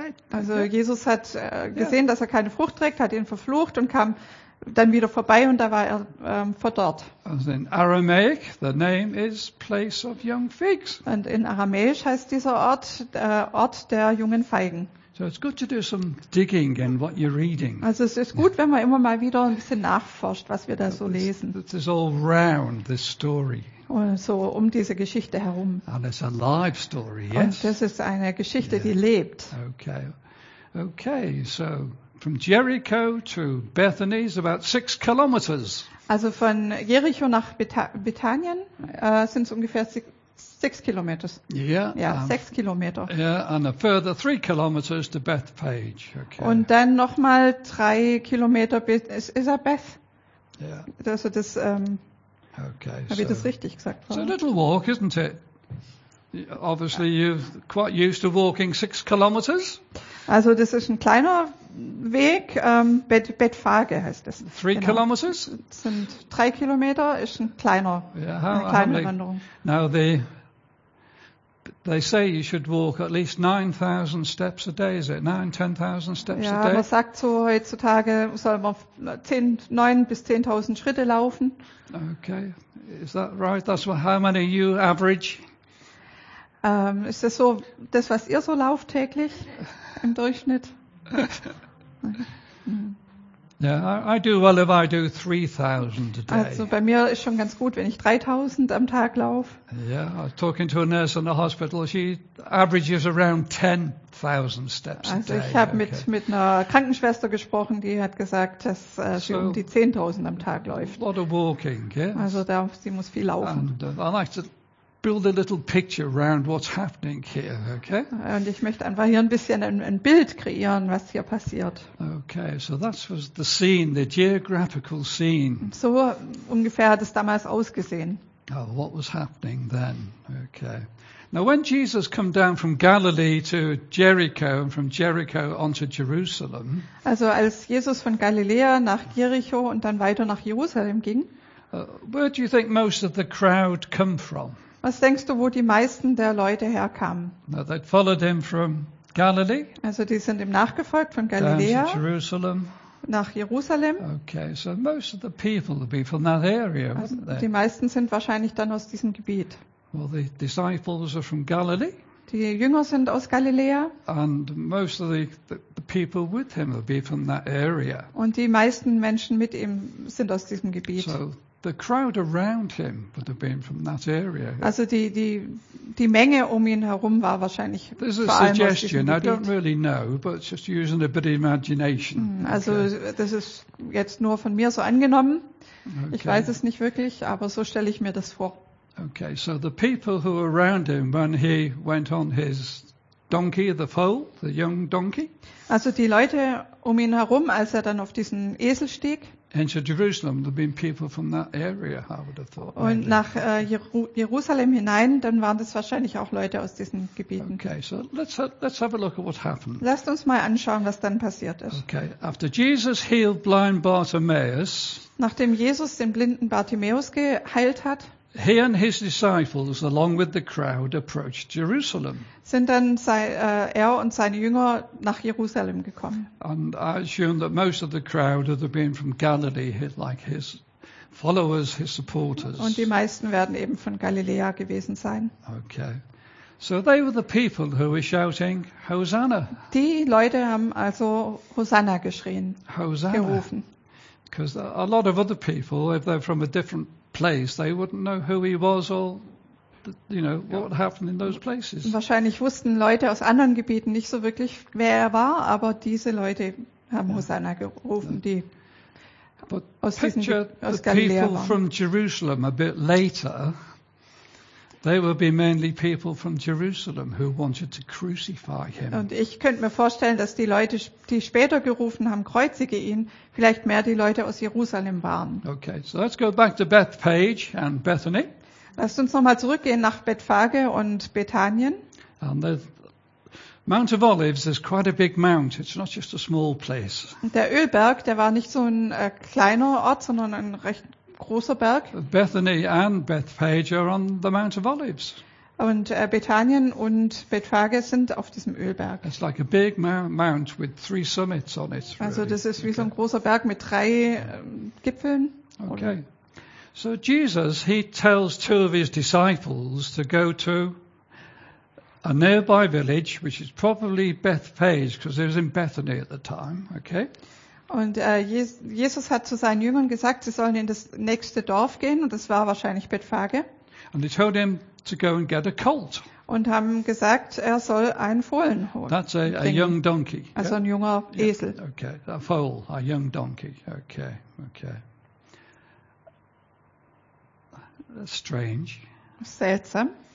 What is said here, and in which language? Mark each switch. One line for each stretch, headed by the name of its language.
German: Also Jesus hat gesehen, dass er keine Frucht trägt, hat ihn verflucht und kam dann wieder vorbei und da war er verdorrt.
English: Also in Aramaic, the name is place of young figs.
German: Und in Aramäisch heißt dieser Ort Ort der jungen Feigen.
English: So it's good to do some digging in what you're reading.
German: Also es ist gut, wenn man immer mal wieder ein bisschen nachforscht, was wir da so lesen.
English: It is all round this story.
German: Und so um diese Geschichte herum.
English: And it's a live story, yes.
German: Und das ist eine Geschichte, die lebt.
English: Okay, so from Jericho to Bethany is about 6 kilometers.
German: Also von Jericho nach Bethanien sind es ungefähr 6 kilometers.
English: Yeah,
German: 6 kilometer.
English: Yeah, and a further 3 kilometers to Bethpage. Okay.
German: Und dann nochmal 3 kilometer bis Beth.
English: Yeah.
German: Also das. Okay. Habe ich das richtig gesagt?
English: It's a little walk, isn't it? Obviously, you're quite used to walking 6 kilometers.
German: Also das ist ein kleiner Weg, Betfage heißt es.
English: 3 kilometers?
German: Das sind 3 Kilometer, ist ein kleiner, eine kleine Wanderung.
English: Now they say you should walk at least 9,000 steps a day, is it? 9,000-10,000 steps
German: ja,
English: a day?
German: Ja, man sagt so heutzutage, soll man 9,000 bis 10,000 Schritte laufen.
English: Okay, is that right? That's what, how many you average?
German: Ist das so, das was ihr so lauft täglich im Durchschnitt?
English: Yeah, I do well if I do 3,000 a day.
German: Also bei mir ist schon ganz gut, wenn ich 3,000 am Tag laufe.
English: Yeah, I was talking to a nurse in the hospital. She averages around 10,000 steps
German: also
English: a day.
German: Also ich habe mit einer Krankenschwester gesprochen, die hat gesagt, dass sie so um die 10,000 am Tag läuft.
English: A lot of walking, yes.
German: Also da, sie muss viel laufen.
English: Build a little picture around what's happening here, okay?
German: Und ich möchte einfach hier ein bisschen ein Bild kreieren, was hier passiert.
English: Okay, so that was the scene, the geographical scene.
German: So ungefähr hat es damals ausgesehen.
English: Oh, what was happening then? Okay. Now when Jesus came down from Galilee to Jericho and from Jericho onto Jerusalem.
German: Also als Jesus von Galiläa nach Jericho und dann weiter nach Jerusalem ging.
English: Where do you think most of the crowd come from?
German: Was denkst du, wo die meisten der Leute herkamen?
English: Now they followed him from Galilee.
German: Also die sind ihm nachgefolgt von Galiläa
English: Jerusalem.
German: Nach Jerusalem.
English: Okay, so most of the people would be from that area, also wouldn't they?
German: Die meisten sind wahrscheinlich dann aus diesem Gebiet.
English: Well, the disciples are from Galilee.
German: Die Jünger sind aus Galiläa.
English: And most of the people with him would be from that area.
German: Und die meisten Menschen mit ihm sind aus diesem Gebiet.
English: So the crowd around him would have been from that area.
German: Also die Menge um ihn herum war wahrscheinlich vor allem aus diesem Gebiet.
English: I don't really know, but just using a bit of imagination.
German: Also okay. Das ist jetzt nur von mir so angenommen. Okay. Ich weiß es nicht wirklich, aber so stelle ich mir das vor.
English: Okay, so the people who were around him when he went on his donkey, the foal, the young donkey.
German: Also die Leute um ihn herum, als er dann auf diesen Esel stieg.
English: Into Jerusalem, there'd been people from that area, I would have thought.
German: Und nach Jerusalem hinein, dann waren das wahrscheinlich auch Leute aus diesen Gebieten.
English: Okay, so let's have a look at what happened.
German: Lasst uns mal anschauen, was dann passiert ist.
English: Okay, after Jesus healed blind Bartimaeus.
German: Nachdem Jesus den blinden Bartimaeus geheilt hat.
English: He and his disciples, along with the crowd, approached Jerusalem.
German: Sind dann er und seine Jünger nach Jerusalem gekommen.
English: And I assume that most of the crowd would have been from Galilee, like his followers, his supporters.
German: Und die meisten werden eben von Galiläa gewesen sein.
English: Okay. So they were the people who were shouting, Hosanna.
German: Die Leute haben also Hosanna geschrien, Hosanna. Gerufen.
English: Because a lot of other people, if they're from a different place, they wouldn't know who he was or you know what would happen in those places.
German: Wahrscheinlich wussten Leute aus anderen Gebieten nicht so wirklich, wer er war, aber diese Leute haben Hosanna gerufen, die aus diesen aus Galiläa waren.
English: People from Jerusalem a bit later, they would be mainly people from Jerusalem who wanted to crucify him.
German: Und ich könnte mir vorstellen, dass die Leute, die später gerufen haben, kreuzige ihn, vielleicht mehr die Leute aus Jerusalem waren.
English: Okay, so let's go back to Bethpage and Bethany.
German: Lasst uns nochmal zurückgehen nach Bethphage und Bethanien.
English: And the Mount of Olives is quite a big mount. It's not just a small place.
German: Der Ölberg, der war nicht so ein kleiner Ort, sondern ein recht großer Berg.
English: Bethany and Bethpage are on the Mount of Olives.
German: Und Bethanien und Bethphage sind auf diesem Ölberg.
English: It's like a big mount with 3 summits on it. Really.
German: Also das ist wie so ein großer Berg mit 3 Gipfeln.
English: Okay. So Jesus, he tells 2 of his disciples to go to a nearby village, which is probably Bethphage, because it was in Bethany at the time. Okay.
German: Und Jesus hat zu seinen Jüngern gesagt, sie sollen in das nächste Dorf gehen, und das war wahrscheinlich Bethphage.
English: And they told him to go and get a colt.
German: Und haben gesagt, er soll einen Fohlen holen.
English: That's a young donkey.
German: Also ein junger Esel.
English: Okay, a foal, a young donkey. Okay, okay. That's strange.
German: Seltsam.